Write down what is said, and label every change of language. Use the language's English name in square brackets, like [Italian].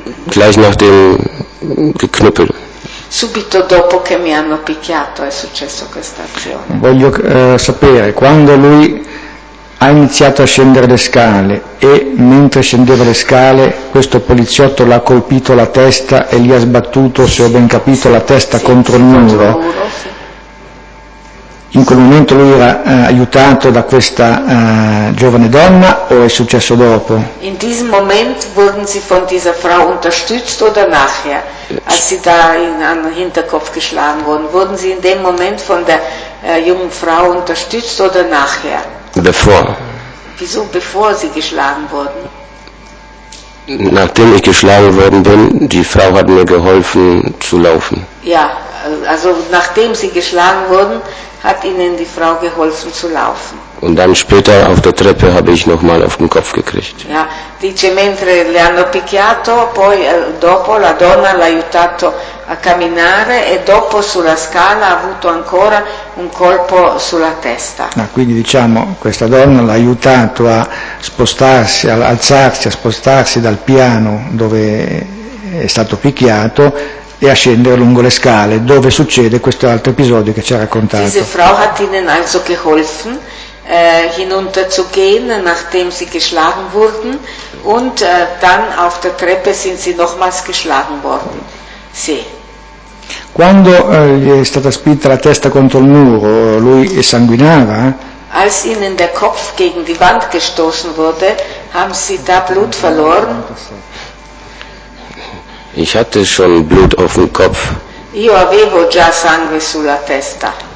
[German] Gleich nach dem Geknüppel. [Italian] Subito dopo che mi hanno picchiato è successo questa azione. Voglio sapere, quando lui ha iniziato a scendere le scale e mentre scendeva le scale questo poliziotto l'ha colpito la testa e gli ha sbattuto, se ho ben capito, la testa contro il muro. In quel momento lui era aiutato da questa giovane donna o è successo dopo? [German] In diesem Moment wurden sie von dieser Frau unterstützt oder nachher, als sie da in den Hinterkopf geschlagen wurden? Wurden sie in dem Moment von der jungen Frau unterstützt oder nachher? Bevor. Wieso bevor sie geschlagen wurden? Nachdem ich geschlagen worden bin, die Frau hat mir geholfen zu laufen. Ja, also nachdem sie geschlagen wurden, hat ihnen die Frau geholfen zu laufen. Und dann später auf der Treppe habe ich nochmal auf den Kopf gekriegt. [Italian] Ja, dice mentre le hanno picchiato, poi dopo la donna l'ha aiutato a camminare e dopo sulla scala ha avuto ancora un colpo sulla testa. Ah, quindi diciamo questa donna l'ha aiutato a spostarsi, ad alzarsi, a spostarsi dal piano dove è stato picchiato e a scendere lungo le scale dove succede questo altro episodio che ci ha raccontato. [German] Diese Frau hat ihnen also geholfen hinunterzugehen, nachdem sie geschlagen wurden und dann auf der Treppe sind sie nochmals geschlagen worden. [Italian] Sì. Quando gli è stata spinta la testa contro il muro, lui sanguinava? [German] Als ihnen der Kopf gegen die Wand gestoßen wurde, haben sie da Blut verloren. Ich hatte schon Blut auf dem Kopf. [Italian] Io avevo già sangue sulla testa.